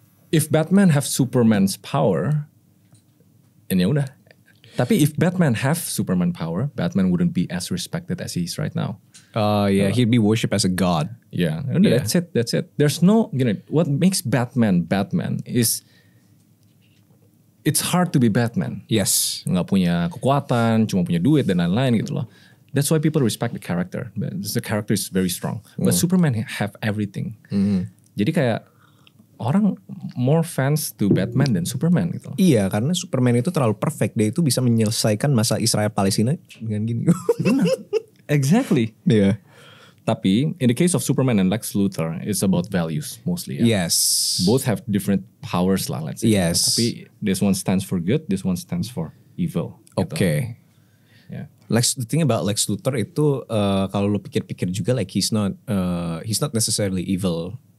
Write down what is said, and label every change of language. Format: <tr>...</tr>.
<en>If Batman have Superman's power, and</en> <id>ya udah. Tapi</id> <en>if Batman have Superman power, Batman wouldn't be as respected as he is right now. Yeah, he'd be worshipped as a god. Yeah. Yeah, that's it, that's it. There's no, you know, what makes Batman, Batman is, it's hard to be Batman. Yes.</en> <id>Nggak punya kekuatan, cuma punya duit dan lain-lain gitu loh.</id> <en>That's why people respect the character. The character is very strong. Mm. But Superman have everything. Mm-hmm.</en> <id>Jadi kayak,</id> <en>orang more fans to Batman than Superman</en> <id>gitu. Iya, karena Superman itu terlalu perfect. Dia itu bisa menyelesaikan masa Israel-Palestina dengan gini.</id> <en>Exactly. Yeah.</en> <id>Tapi,</id> <en>in the case of Superman and Lex Luthor, it's about values mostly. Yeah? Yes. Both have different powers</en> <id>lah,</id> <en>let's say. Yes.</en> <id>Tapi,</id> <en>this one stands for good, this one stands for evil. Okay.</en> <id>Gitu.</id> <en>Yeah. Lex, the thing about Lex Luthor</en> <id>itu, kalau lo pikir-pikir juga,</id> <en>like he's not necessarily evil.</en>